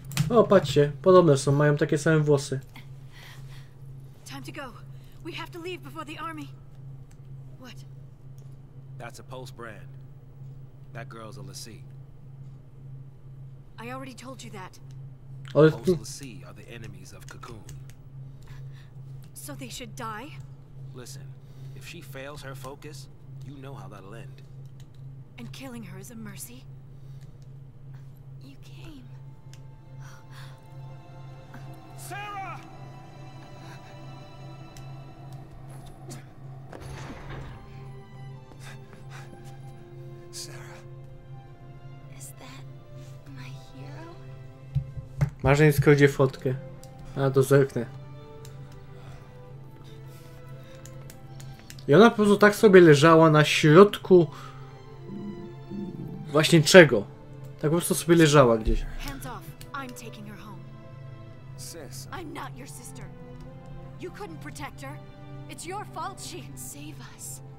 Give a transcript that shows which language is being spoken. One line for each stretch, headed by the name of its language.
Polish: O, patrzcie, podobne są, mają takie same włosy.
English: Time to go. We have to leave before the army. What? That's a Pulse brand. That girl's a Lassie. I already told you that. Pulse Lassie are the enemies of Cocoon. So they should die? Listen, if she fails her focus, you know how that'll end. And killing her is a mercy? You came. Sarah! Sarah. Is that my hero?
Polish: Marzeń skrodzie fotkę. A, to zerknę. I ona po prostu tak sobie leżała na środku właśnie czego? Tak po prostu sobie leżała gdzieś.
English: Hands off. I'm taking her home. Sis. I'm not your sister. You couldn't protect her. It's your fault she can save us.